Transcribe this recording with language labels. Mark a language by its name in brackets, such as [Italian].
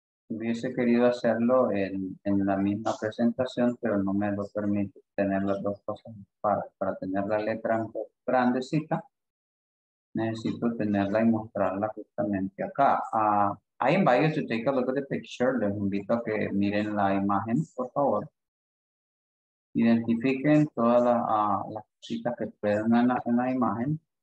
[Spanish] Hubiese querido hacerlo en la misma presentación, pero no me lo permite tener las dos cosas para tener la letra grandecita. Necesito tenerla y mostrarla justamente acá. [English] I invite you to take a look at the picture. [Spanish] Les invito a que miren la imagen, por favor. Identifiquen todas las cositas que pueden en la imagen.